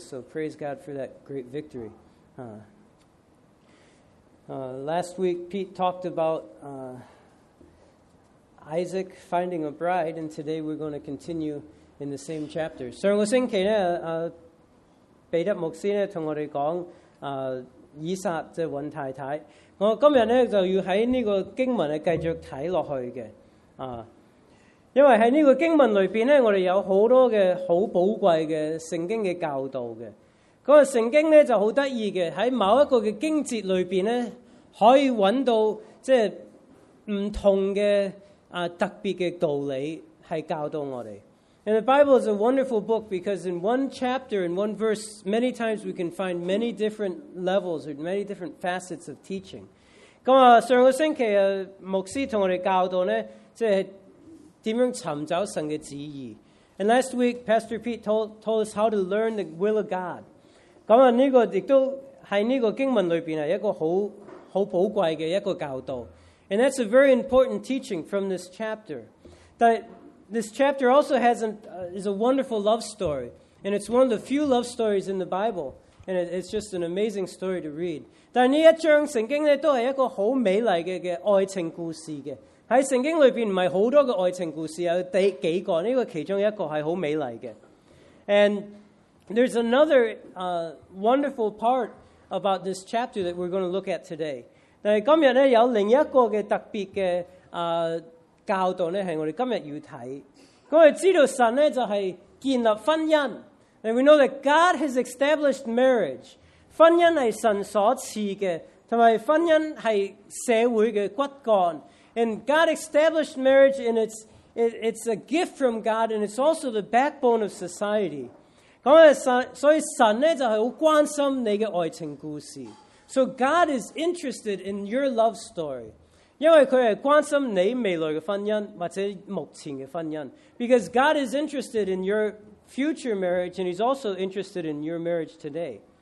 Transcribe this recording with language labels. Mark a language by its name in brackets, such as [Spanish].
[English] So praise God for that great victory. Last week, Pete talked about Isaac finding a bride, and today we're going to continue in the same chapter. [Cantonese] 上個星期咧，彼得牧師咧同我哋講以撒即係揾太太。我今日咧就要喺呢個經文咧繼續睇落去嘅因為喺呢個經文裏邊咧，我哋有好多嘅好寶貴嘅聖經嘅教導嘅。那個聖經咧就好得意嘅，喺某一個嘅經節裏邊咧，可以揾到即係唔同嘅特別嘅道理係教導我哋。 [English] And the Bible is a wonderful book because in one chapter, in one verse, many times we can find many different levels or many different facets of teaching. [Cantonese] 咁啊，上個星期啊，牧師同我哋教導咧，即係點樣尋找神嘅旨意。 [English] And last week, Pastor Pete told us how to learn the will of God. [Cantonese] 咁啊，呢個亦都喺呢個經文裏邊啊，一個好寶貴嘅一個教導。 [English] And that's a very important teaching from this chapter. This chapter also is a wonderful love story, and it's one of the few love stories in the Bible, and it's just an amazing story to read. [Cantonese] 但呢一章聖經咧都係一個好美麗嘅愛情故事嘅。喺聖經裏邊唔係好多嘅愛情故事，有第幾個？呢個其中一個係好美麗嘅。 [English] And there's another wonderful part about this chapter that we're going to look at today. [Cantonese] 但係今日咧有另一個嘅特別嘅教導咧，係我哋今日要睇。我哋知道神咧就係建立婚姻 ， [English] and we know that God has established marriage. [Cantonese] 婚姻係神所賜嘅，同埋婚姻係社會嘅骨幹。 [English] And God established marriage, and it's a gift from God, and it's also the backbone of society. [Cantonese] 咁啊，所以神咧就係好關心你嘅愛情故事。 [English] So God is interested in your love story. [Cantonese] 因為佢係關心你未來嘅婚姻或者目前嘅婚姻 [English] ，because God is interested in your future marriage and He's also interested in your marriage today.